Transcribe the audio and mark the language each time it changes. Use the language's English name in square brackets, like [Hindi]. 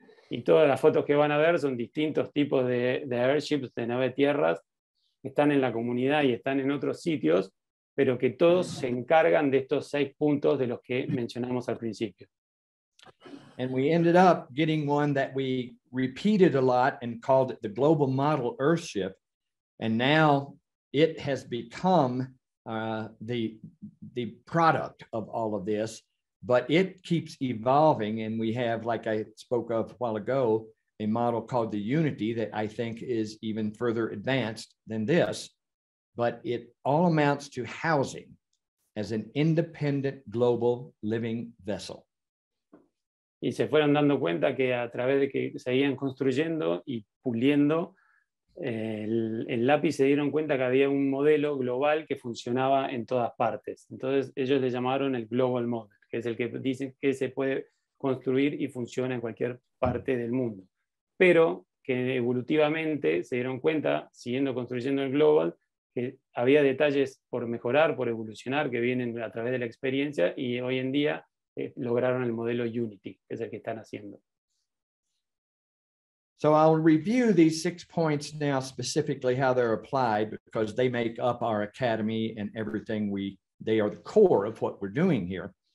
[Spanish] Y todas las fotos que van a ver son distintos tipos de airships, de nave tierras, que están en la comunidad y están en otros sitios, pero que todos se encargan de estos 6 puntos de los que mencionamos al principio. [English] And we ended up getting one that we repeated a lot and called it the Global Model Earthship. And now it has become the product of all of this, but it keeps evolving. And we have, like I spoke of a while ago, a model called the Unity that I think is even further advanced than this, but it all amounts to housing as an independent global living vessel. [Spanish] Y se fueron dando cuenta que a través de que seguían construyendo y puliendo el lápiz, se dieron cuenta que había un modelo global que funcionaba en todas partes. Entonces ellos le llamaron el Global Model, que es el que dicen que se puede construir y funciona en cualquier parte del mundo. Pero que evolutivamente se dieron cuenta, siguiendo construyendo el Global, que había detalles por mejorar, por evolucionar, que vienen a través de la experiencia, y hoy en día lograron el modelo Unity, que es el que están haciendo. [English] So I'll review these 6 points now specifically how they're applied, because they make up our academy and everything they are the core of what we're doing here.